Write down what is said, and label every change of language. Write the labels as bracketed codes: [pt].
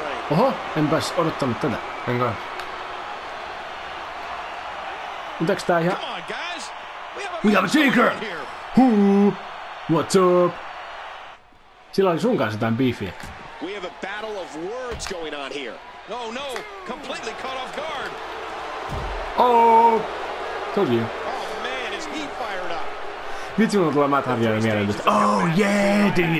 [fi] Oho, enpäs odottanut tätä. En kai. Mitäks tää ihan... [en] On, guys. We have a seeker! Huu! What's up? [fi] Sillä oli sun kanssa jotain beefiä. [en] We have a battle of words going on here. Oh no, completely caught off guard. Oh! Told you. Oh man, is he fired up? [fi] Nyt sinulla tulee Matt Harjaa mieleen nyt. [en] Oh yeah!